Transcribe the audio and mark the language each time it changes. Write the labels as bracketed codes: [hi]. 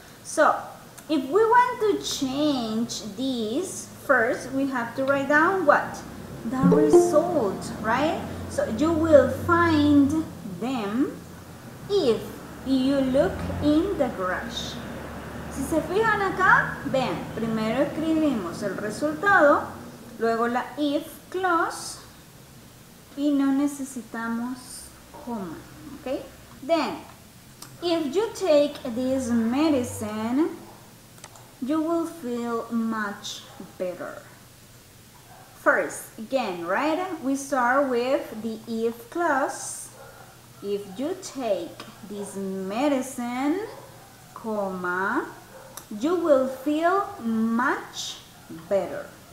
[en] So, if we want to change this, first we have to write down what? The result, right? So, you will find them if you look in the garage. [es] Si se fijan acá, ven, primero escribimos el resultado, luego la if clause y no necesitamos coma, okay? [en] Then, if you take this medicine, you will feel much better. First, again, right? We start with the if clause. If you take this medicine, comma, you will feel much better.